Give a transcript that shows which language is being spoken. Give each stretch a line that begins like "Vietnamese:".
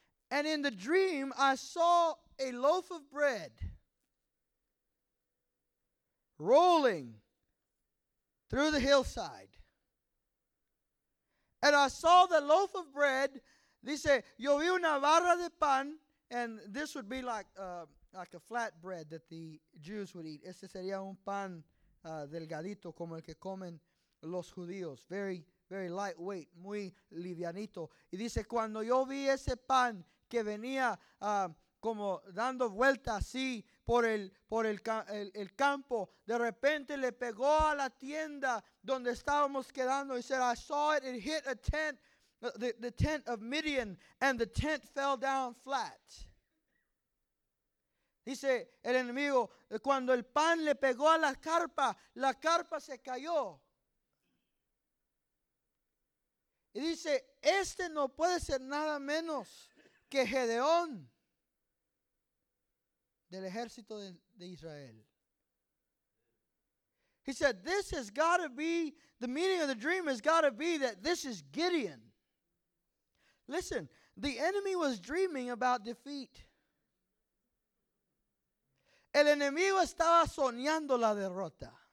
English: And in the dream I saw a loaf of bread rolling through the hillside. And I saw the loaf of bread.
Spanish: Dice, yo vi una barra de pan.
English: And this would be like a flat bread that the Jews would eat.
Spanish: Este sería un pan delgadito como el que comen los judíos.
English: Very, very lightweight,
Spanish: muy livianito. Y dice, cuando yo vi ese pan que venía como dando vuelta así por el campo, de repente le pegó a la tienda donde estábamos quedando.
English: He said, I saw it hit a tent, the tent of Midian, and the tent fell down flat.
Spanish: Dice el enemigo, cuando el pan le pegó a la carpa se cayó. Y dice, este no puede ser nada menos que Gedeón del ejército de Israel.
English: He said, this has got to be, the meaning of the dream has got to be that this is Gideon. Listen, the enemy was dreaming about defeat.
Spanish: El enemigo estaba soñando la derrota.